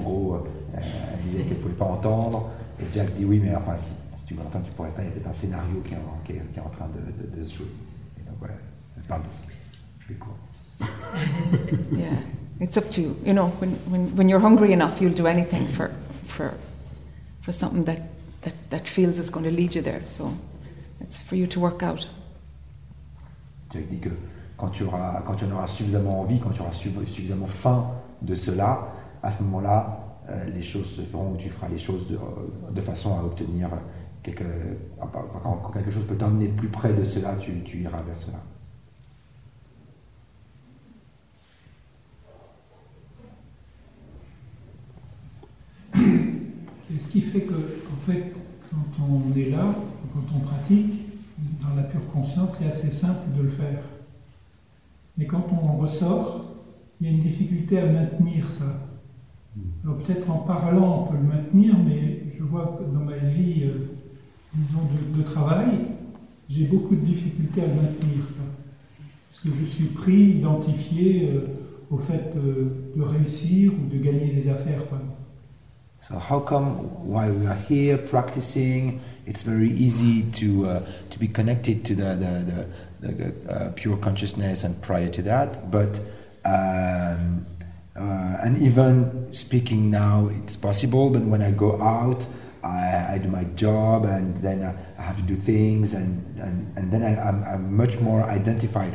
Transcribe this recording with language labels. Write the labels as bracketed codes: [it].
[fr] En gros, elle disait qu'elle pouvait pas entendre. Et Jack dit oui, mais enfin, si tu m'entends, tu pourrais pas. Il y a peut-être un scénario qui est en train de se jouer. Et donc voilà, elle parle de ça. Je fais court. [en] Yeah, it's up to you. You know, when you're hungry enough, you'll do anything for for something that feels it's going to lead you there. So it's for you to work out. [fr] Jack dit que quand tu en auras suffisamment envie, quand tu auras suffisamment faim de cela, à ce moment-là, les choses se feront, ou tu feras les choses de façon à obtenir quelque chose peut t'emmener plus près de cela, tu iras vers cela. Et ce qui fait que, en fait, quand on est là, quand on pratique, dans la pure conscience, c'est assez simple de le faire. Mais quand on en ressort, il y a une difficulté à maintenir ça. Alors peut-être en parlant, on peut le maintenir, mais je vois que dans ma vie, disons, de travail, j'ai beaucoup de difficultés à maintenir ça. Parce que je suis pris, identifié au fait de réussir ou de gagner des affaires, par exemple. [en] So how come while we are here practicing, it's very easy to be connected to the pure consciousness and prior to that, but and even speaking now, it's possible, but when I go out, I do my job and then I have to do things and then I'm much more identified.